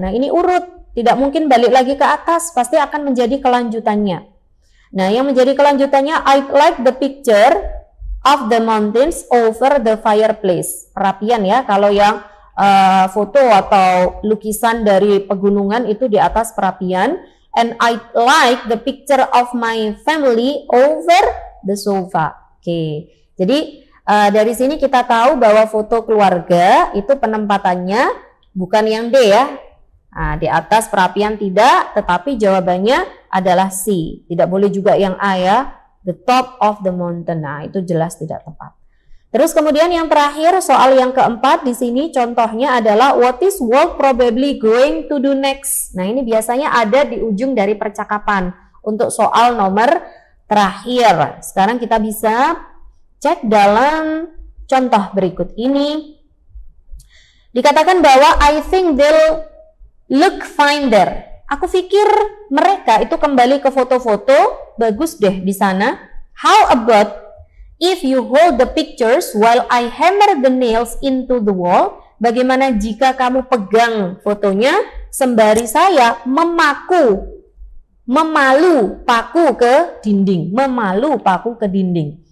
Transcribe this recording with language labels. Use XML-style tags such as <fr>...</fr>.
<id>Nah, ini urut, tidak mungkin balik lagi ke atas, pasti akan menjadi kelanjutannya. Nah, yang menjadi kelanjutannya,</id> <en>I like the picture of the mountains over the fireplace.</en> <id>Perhatian ya, kalau yang foto atau lukisan dari pegunungan itu di atas perapian.</id> <en>And I like the picture of my family over the sofa. Oke.</en> <id>Jadi dari sini kita tahu bahwa foto keluarga itu penempatannya bukan yang D ya. Nah, di atas perapian tidak, tetapi jawabannya adalah C. Tidak boleh juga yang A ya.</id> <en>The top of the mountain.</en> <id>Nah, itu jelas tidak tepat. Terus kemudian yang terakhir, soal yang keempat di sini contohnya adalah</id> <en>what is Walt probably going to do next?</en> <id>Nah, ini biasanya ada di ujung dari percakapan untuk soal nomor terakhir. Sekarang kita bisa cek dalam contoh berikut ini. Dikatakan bahwa</id> <en>I think they'll look fine there.</en> <id>Aku pikir mereka itu kembali ke foto-foto, bagus deh di sana.</id> <en>How about if you hold the pictures while I hammer the nails into the wall,</en> <id>bagaimana jika kamu pegang fotonya sembari saya memalu paku ke dinding.</id>